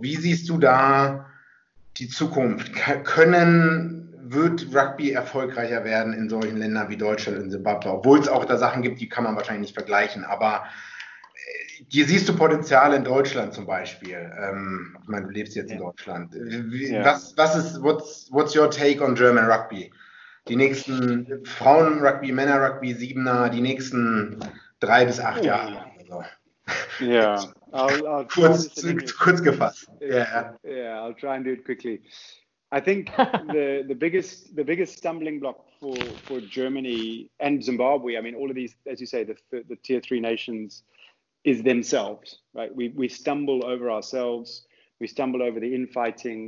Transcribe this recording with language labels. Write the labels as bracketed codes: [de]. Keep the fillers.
[de] Wie siehst du da die Zukunft? K können, wird Rugby erfolgreicher werden in solchen Ländern wie Deutschland und Simbabwe? Obwohl es auch da Sachen gibt, die kann man wahrscheinlich nicht vergleichen, aber hier siehst du Potenzial in Deutschland zum Beispiel. Ähm, ich meine, du lebst jetzt in Ja. Deutschland. Wie, Ja. [en] was, was ist, what's, what's your take on German Rugby? [de] Die nächsten Frauen-Rugby, Männer-Rugby, Siebener, die nächsten drei bis acht Jahre. Also, [en] Yeah. I'll, I'll try [de] kurz, [en] this in English. [de] kurz gefasst. [en] Yeah, [de] Ja. [en] yeah, I'll try and do it quickly. I think the the biggest the biggest stumbling block for for Germany and Zimbabwe. I mean, all of these, as you say, the the, the tier three nations is themselves, right? We we stumble over ourselves. We stumble over the infighting.